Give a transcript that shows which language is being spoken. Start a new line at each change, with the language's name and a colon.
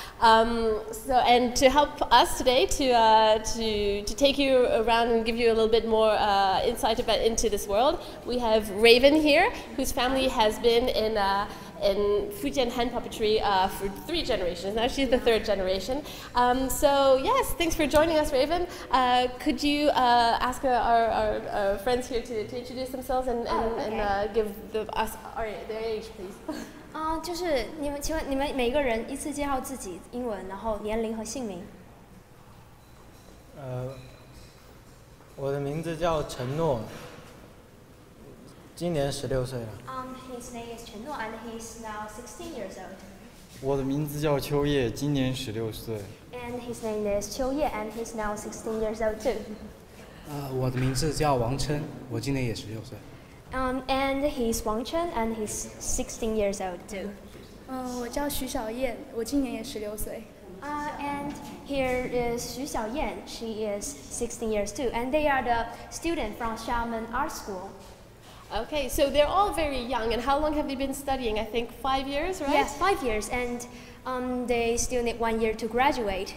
English: And to help us today to take you around and give you a little bit more insight about into this world, we have Raven here, whose family has been in Fujian hand puppetry for three generations. Now she's the third generation. So thanks for joining us, Raven. Could you ask our friends here to introduce themselves and give us their age, please?
Chinese: 就是你们请问你们每个人依次介绍自己 英文，然后年龄和姓名。我的名字叫陈诺。今年16岁了。
English: His name is Chen Nuo and he's now 16 years old.
Chinese: 我的名字叫秋叶，今年16岁。And
English: his name is Qiu Ye and he's now 16 years old too.
Chinese: 我的名字叫王琛，我今年也16岁。
English: And he's Wang Chen and he's 16 years old too.
Chinese: 我叫徐小燕，我今年也16岁。
English: And here is Xu Xiaoyan, she is 16 years too. And they are the student from Xiamen Art School. Okay, so they're all very young, and how long have you been studying? I think 5 years, right? Yes, 5 years, and they still need 1 year to graduate.